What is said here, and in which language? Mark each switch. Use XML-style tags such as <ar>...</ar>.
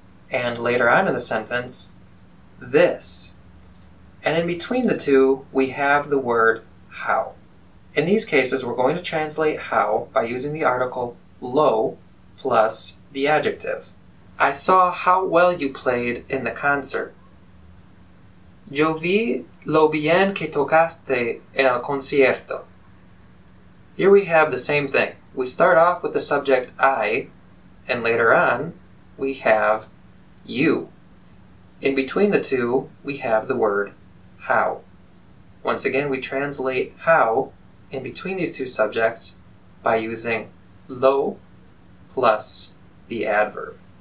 <en>and later on in the sentence, this. And in between the two, we have the word how. In these cases, we're going to translate how by using the article lo plus the adjective. I saw how well you played in the concert.</en> <es>Yo vi lo bien que tocaste en el concierto.</es> <en>Here we have the same thing. We start off with the subject I, and later on, we have you. In between the two, we have the word how. Once again, we translate how in between these two subjects by using lo plus the adverb.</en>